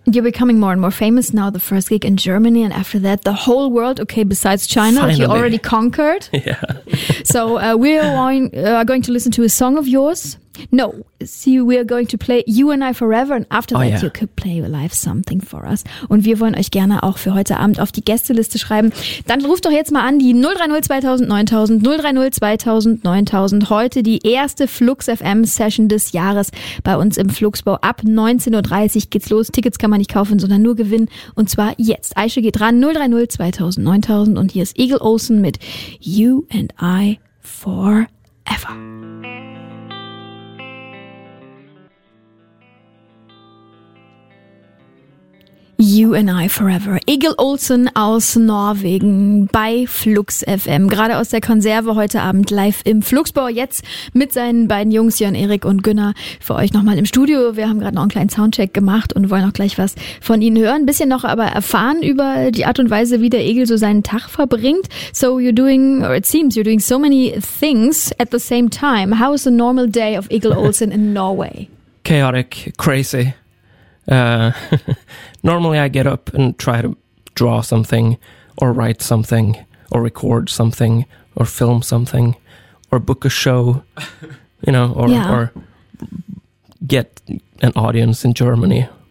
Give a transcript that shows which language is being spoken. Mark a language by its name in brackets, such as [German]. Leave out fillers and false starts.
[English] you're becoming more and more famous now, the first gig in Germany, and after that the whole world, okay, besides China, finally. You already conquered. Yeah. So we are going to listen to a song of yours, No, see, we are going to play You and I Forever and after that you could play live something for us. [German] Und wir wollen euch gerne auch für heute Abend auf die Gästeliste schreiben. Dann ruft doch jetzt mal an, die 030-2000-9000, 030-2000-9000. Heute die erste Flux FM Session des Jahres bei uns im Fluxbau. Ab 19.30 Uhr geht's los. Tickets kann man nicht kaufen, sondern nur gewinnen. Und zwar jetzt. Aische geht ran, 030-2000-9000 und hier ist Eagle Olsen mit You and I Forever. You and I Forever. Eagle Olsen aus Norwegen bei Flux FM. Gerade aus der Konserve heute Abend live im Fluxbau. Jetzt mit seinen beiden Jungs, Jörn, Erik und Günnar, für euch nochmal im Studio. Wir haben gerade noch einen kleinen Soundcheck gemacht und wollen auch gleich was von ihnen hören. Bisschen noch aber erfahren über die Art und Weise, wie der Eagle so seinen Tag verbringt. [English] So you're doing, or it seems you're doing so many things at the same time. How is the normal day of Eagle Olsen in Norway? Chaotic, crazy. Normally I get up and try to draw something or write something or record something or film something or book a show, you know, or get an audience in Germany.